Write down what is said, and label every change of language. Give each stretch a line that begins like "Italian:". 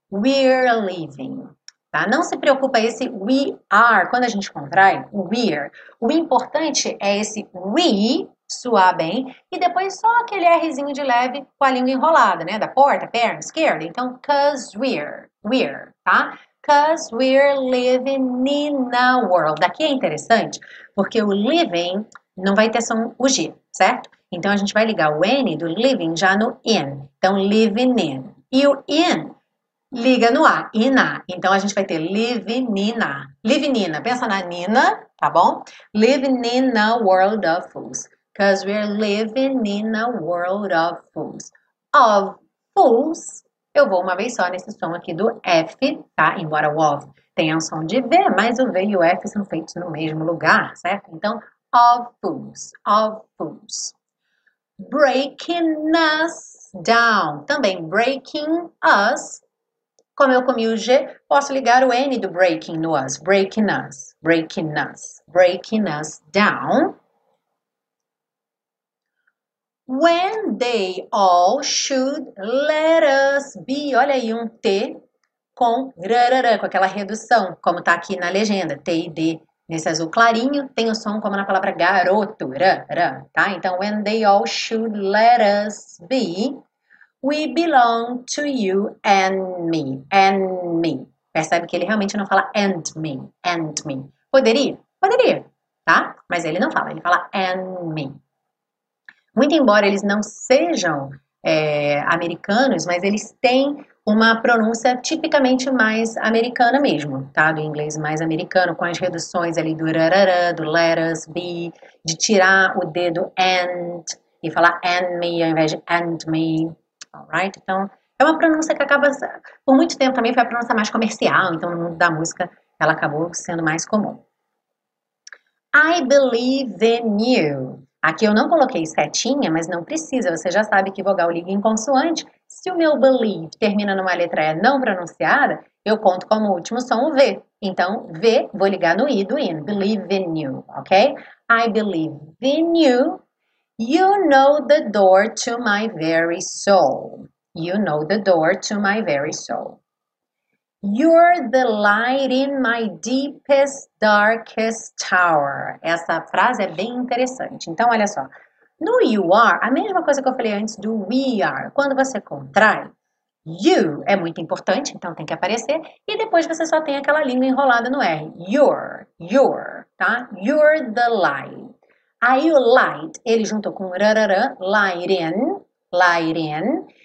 English: We're living. Tá?
Portuguese: Não se preocupa esse we are, quando a gente contrai, we're. O importante é esse we, suar bem, e depois só aquele Rzinho de leve com a língua enrolada, né? Da porta, perna, esquerda. Então, cause we're, tá?
English: Cause we're living in a world.
Portuguese: Aqui é interessante, porque o living não vai ter som o G, certo? Então, a gente vai ligar o N do living já no in. Então, living in. E o in liga no A, Ina. Então a gente vai ter Livinina. Livinina, pensa na Nina, tá bom?
English: Living in a world of fools. Because we're living in a world of fools. Of fools.
Portuguese: Eu vou uma vez só nesse som aqui do F, tá? Embora o of tenha um som de V, mas o V e o F são feitos no mesmo lugar, certo?
English: Então, of fools. Of fools. Breaking us down. Também breaking us.
Portuguese: Como eu comi o G, posso ligar o N do breaking no us.
English: Breaking us. Breaking us. Breaking us down. When they all should let us be.
Portuguese: Olha aí um T com rarará, com aquela redução, como tá aqui na legenda. T e D. Nesse azul clarinho, tem o som como na palavra garoto. Rarará, tá?
English: Então, when they all should let us be. We belong to you and me.
Portuguese: Percebe que ele realmente não fala and me. Poderia? Poderia, tá? Mas ele não fala, ele fala and me. Muito embora eles não sejam americanos, mas eles têm uma pronúncia tipicamente mais americana mesmo, tá? Do inglês mais americano, com as reduções ali do rarará, do let us be, de tirar o D do and e falar and me ao invés de and me. Alright? Então, é uma pronúncia que acaba, por muito tempo também foi a pronúncia mais comercial, então no mundo da música ela acabou sendo mais comum.
English: I believe in you.
Portuguese: Aqui eu não coloquei setinha, mas não precisa, você já sabe que vogal liga em consoante. Se o meu believe termina numa letra E não pronunciada, eu conto como último som o V. Então, V, vou ligar no I do in.
English: Believe in you, ok? I believe in you. You know the door to my very soul. You know the door to my very soul. You're the light in my deepest, darkest tower.
Portuguese: Essa frase é bem interessante. Então, olha só. No you are, a mesma coisa que eu falei antes do we are. Quando você contrai, you é muito importante, então tem que aparecer. E depois você só tem aquela língua enrolada no R. You're, tá?
English: You're the light.
Portuguese: Aí o light, ele juntou com rararã, light in.